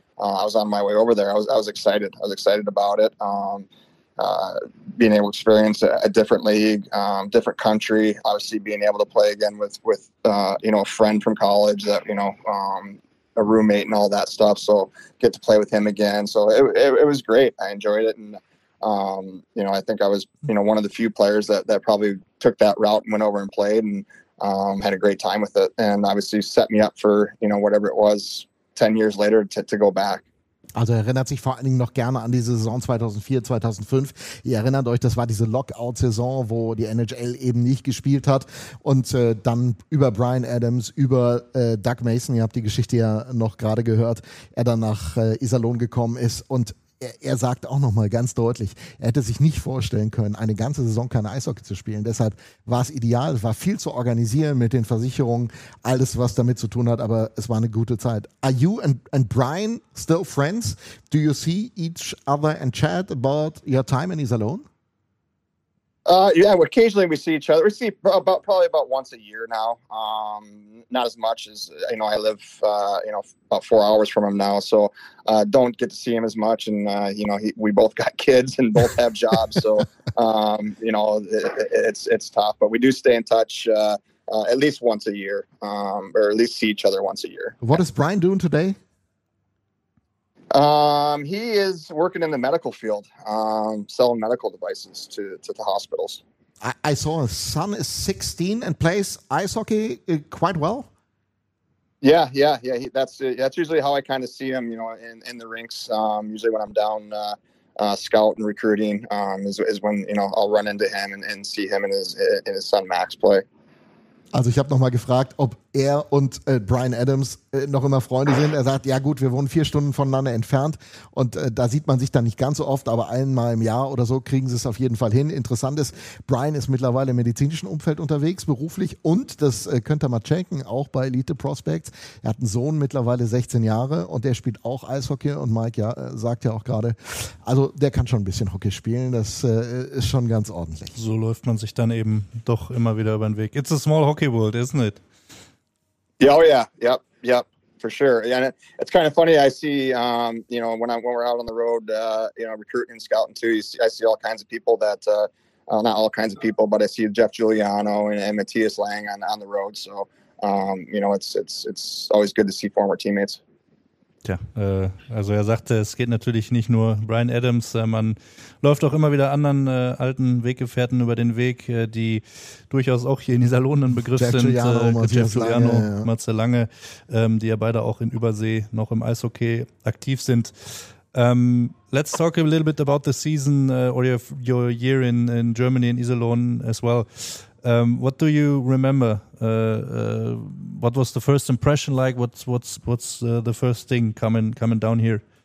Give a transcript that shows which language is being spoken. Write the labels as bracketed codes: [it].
[en] I was on my way over there. I was excited. I was excited about it. Being able to experience a different league, different country, obviously being able to play again with a friend from college that, a roommate and all that stuff. So get to play with him again. So it was great. I enjoyed it. And, I think I was, one of the few players that probably took that route and went over and played and, had a great time with it. And obviously set me up for, whatever it was 10 years later to go back. [de] Also er erinnert sich vor allen Dingen noch gerne an diese Saison 2004, 2005. Ihr erinnert euch, das war diese Lockout-Saison, wo die NHL eben nicht gespielt hat. Und dann über Brian Adams, über Doug Mason, ihr habt die Geschichte ja noch gerade gehört, er dann nach Iserlohn gekommen ist. Und er sagt auch nochmal ganz deutlich, er hätte sich nicht vorstellen können, eine ganze Saison keine Eishockey zu spielen. Deshalb war es ideal, war viel zu organisieren mit den Versicherungen, alles, was damit zu tun hat, aber es war eine gute Zeit. [en] Are you and Brian still friends? Do you see each other and chat about your time in Iserlohn? Yeah, occasionally we see each other. We see probably about once a year now. Not as much as, I live, about 4 hours from him now. So don't get to see him as much. And, we both got kids and both have jobs. So, it's tough. But we do stay in touch at least once a year or at least see each other once a year. What is Brian doing today? He is working in the medical field, selling medical devices to the hospitals. I saw his son is 16 and plays ice hockey quite well. Yeah. That's usually how I kind of see him, in the rinks. Usually when I'm down, scout and recruiting, is when, I'll run into him and see him and his son Max play. [de] Also ich habe nochmal gefragt, ob er und Brian Adams noch immer Freunde sind. Er sagt, ja gut, wir wohnen 4 Stunden voneinander entfernt und da sieht man sich dann nicht ganz so oft, aber einmal im Jahr oder so kriegen sie es auf jeden Fall hin. Interessant ist, Brian ist mittlerweile im medizinischen Umfeld unterwegs, beruflich und, das könnt ihr mal checken, auch bei Elite Prospects. Er hat einen Sohn, mittlerweile 16 Jahre und der spielt auch Eishockey und Mike sagt ja auch gerade, also der kann schon ein bisschen Hockey spielen, das ist schon ganz ordentlich. So läuft man sich dann eben doch immer wieder über den Weg. [en] It's a small hockey world, isn't it? Yeah, oh yeah, yep, for sure. Yeah, and it's kind of funny. I see, when we're out on the road, recruiting and scouting too. I see all kinds of people that, not all kinds of people, but I see Jeff Giuliano and Matthias Lang on the road. So, it's always good to see former teammates. [de] Tja, also er sagte, es geht natürlich nicht nur Brian Adams, man läuft auch immer wieder anderen alten Weggefährten über den Weg, die durchaus auch hier in Iserlohn ein Begriff sind, Jeff Giuliano, Matze Lange, die ja beide auch in Übersee noch im Eishockey aktiv sind. [en] Let's talk a little bit about the season or your year in Germany, in Iserlohn as well. What do you remember? What was the first impression like? What's the first thing coming down here?